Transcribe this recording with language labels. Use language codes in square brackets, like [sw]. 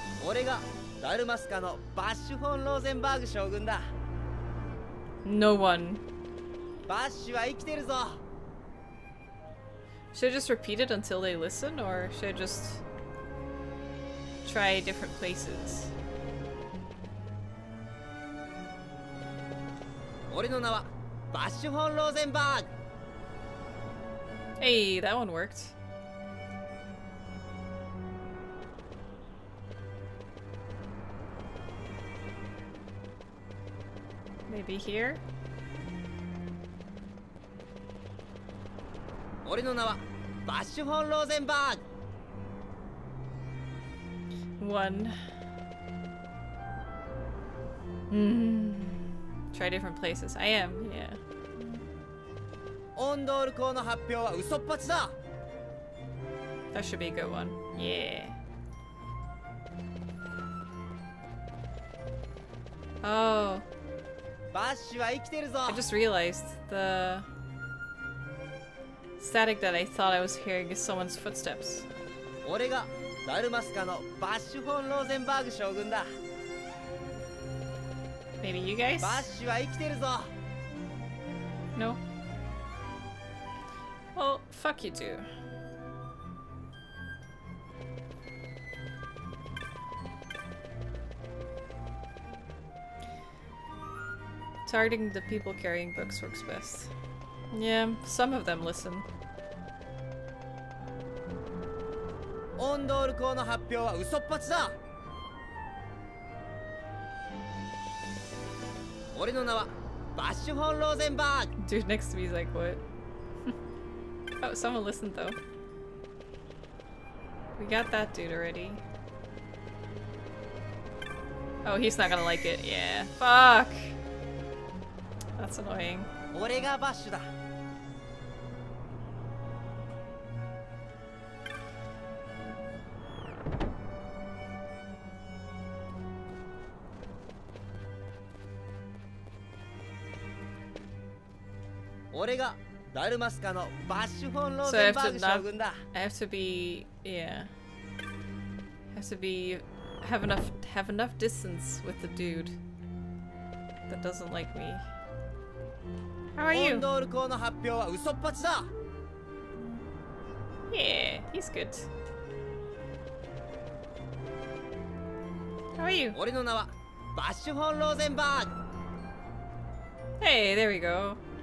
[ja] 俺がダルマスカのバッシュ・フォン・ローゼンバーグ将軍だ。 [en] No one. [ja] バッシュは生きてるぞ。 [en] Should I just repeat it until they listen, or should I just try different places? [ja] 俺の名はバッシュ・フォン・ローゼンバーグ。 [en] Hey, that one worked. Maybe here? [ja] 俺の名はバッシュ・フォン・ローゼンバーグ。 [en] One. Try different places. I am, yeah. [ja] オンドール校の発表は嘘っぱちだ。 [en] That should be a good one. Yeah. Oh. [ja] バッシュは生きてるぞ。 [en] I just realized the static that I thought I was hearing is someone's footsteps. [ja] 俺がダルマスカのバッシュ・フォン・ローゼンバーグ将軍だ。 [en] Maybe you guys? [ja] バッシュは生きてるぞ。 [en] No? Well, fuck you two. Targeting the people carrying books works best. Yeah, some of them listen. [ja] オンドール校の発表は嘘っぱちだ。俺の名はバッシュ・フォン・ローゼンバーグ。 [en] Dude next to me is like what? Oh, someone listened though. We got that dude already. Oh, he's not gonna like it. Yeah, fuck. That's annoying. [ja] 俺がバッシュだ。俺がダルマスカのバッシュ・フォン・ローゼンバーグ将軍だ。 [en] I have to be... yeah. Have to be... have enough distance with the dude that doesn't like me. How are you? [ja] オンドール校の発表は嘘っぱちだ。 [en] Yeah, he's good. How are you? [ja] 俺の名はバッシュ・フォン・ローゼンバーグ。 [en] Hey, there we go.